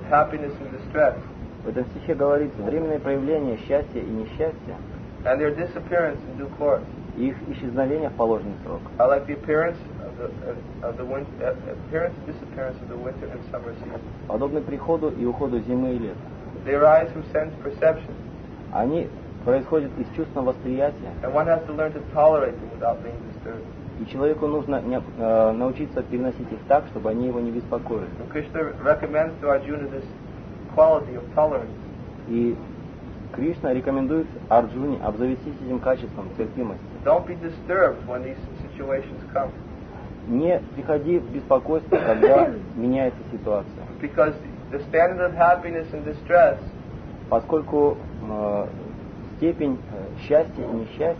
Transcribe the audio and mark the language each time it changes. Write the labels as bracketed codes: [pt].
[ru] В этом стихе говорится временное проявление счастья и несчастья. [en] And their disappearance in due course. [ru] Их исчезновение в положенный срок. [en] I like the appearance of the winter, appearance and disappearance of the winter and summer seasons. [ru] Подобны приходу и уходу зимы и лета. [en] They arise from sense perception. [ru] Они происходят из чувственного восприятия. [en] And one has to learn to tolerate them without being disturbed. [ru] И человеку нужно научиться переносить их так, чтобы они его не беспокоили. [en] Krishna recommends to Arjuna this quality of tolerance. [ru] И Кришна рекомендует Арджуне обзавестись этим качеством терпимости. [en] Don't be disturbed when these situations come. [ru] Не приходи в беспокойство, когда меняется ситуация. [en] Because the standard of happiness and distress, [ru] поскольку степень счастья и несчастья,